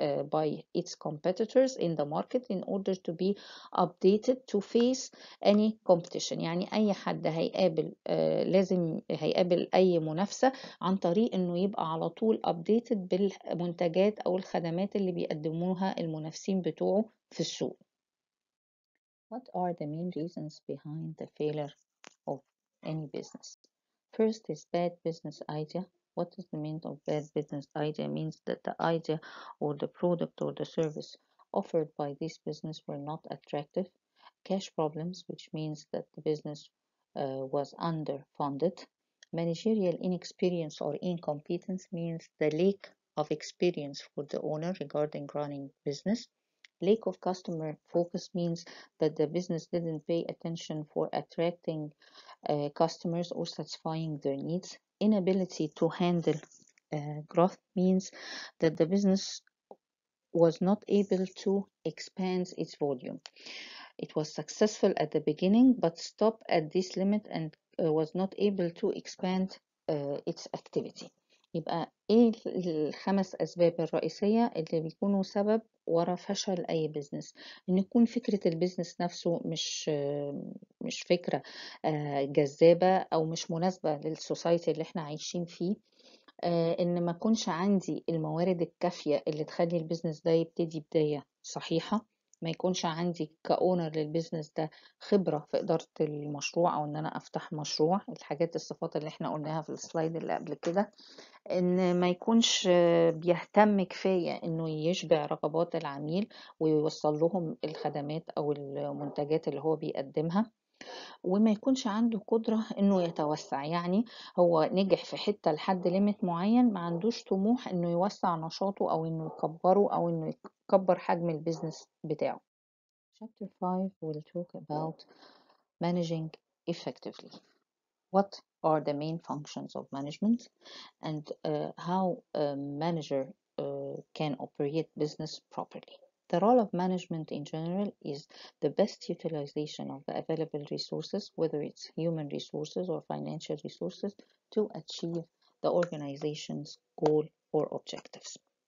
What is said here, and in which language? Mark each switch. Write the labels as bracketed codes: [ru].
[en] by its competitors in the market in order to be updated to face any competition. [ar] يعني أي حد هيقابل لازم هيقابل أي منافسة عن طريق إنه يبقى على طول updated بالمنتجات أو الخدمات اللي بيقدموها المنافسين بتوعه في السوق. [en] What are the main reasons behind the failure of any business? First is bad business idea. What is the meaning of bad business idea? It means that the idea or the product or the service offered by this business were not attractive. Cash problems, which means that the business was underfunded. Managerial inexperience or incompetence means the lack of experience for the owner regarding running business. Lack of customer focus means that the business didn't pay attention for attracting customers or satisfying their needs. Inability to handle growth means that the business was not able to expand its volume. It was successful at the beginning but stopped at this limit and was not able to expand its activity. [ar] يبقى ايه الخمس اسباب الرئيسية اللي بيكونوا سبب وراء فشل اي بزنس؟ ان يكون فكرة البزنس نفسه مش فكرة جذابة او مش مناسبة للسوسايتي اللي احنا عايشين فيه، ان ما كنش عندي الموارد الكافية اللي تخلي البزنس ده يبتدي بداية صحيحة، ما يكونش عندي كأونر للبزنس ده خبرة في إدارة المشروع أو أن أنا أفتح مشروع، الحاجات الصفات اللي احنا قلناها في السلايد اللي قبل كده، أن ما يكونش بيهتم كفاية أنه يشبع رغبات العميل ويوصل لهم الخدمات أو المنتجات اللي هو بيقدمها، وما يكونش عنده قدرة أنه يتوسع. يعني هو نجح في حتة لحد ليميت معين، ما عندوش طموح أنه يوسع نشاطه أو أنه يكبره أو أنه يكبر حجم البيزنس بتاعه. [en] Chapter 5 will talk about managing effectively. What are the main functions of management and how a manager can operate business properly. The role of management in general is the best utilization of the available resources, whether it's human resources or financial resources, to achieve the organization's goal or objectives.